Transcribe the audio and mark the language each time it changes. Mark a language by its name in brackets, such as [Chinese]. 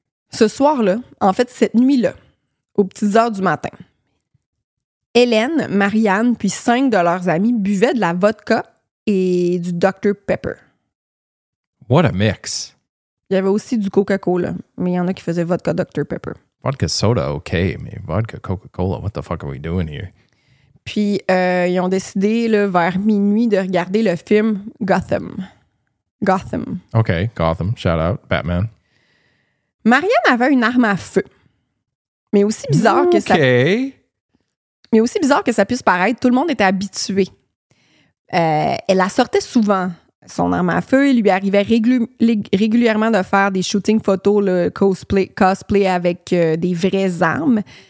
[French] Ce soir-là, en fait, cette nuit-là, aux petites heures du matin, Hélène, Marianne, puis 5 de leurs amis buvaient de la vodka et du Dr. Pepper. [English] What a mix! [French] Il y avait aussi du Coca-Cola, mais il y en a qui faisaient vodka Dr. Pepper. [English] Vodka soda, OK, mais vodka Coca-Cola, what the fuck are we doing here? [French] Puis, ils ont décidé, là, vers minuit, de regarder le film Gotham. Gotham. OK, Gotham, shout out, Batman. Marianne avait une arme à feu. Mais aussi bizarre que ça... OK. Mais aussi bizarre que ça puisse paraître, tout le monde était habitué. Elle la sortait souvent. Son arme à feu, il lui arrivait régulièrement de faire des shootings photos, le cosplay avec des vraies armes.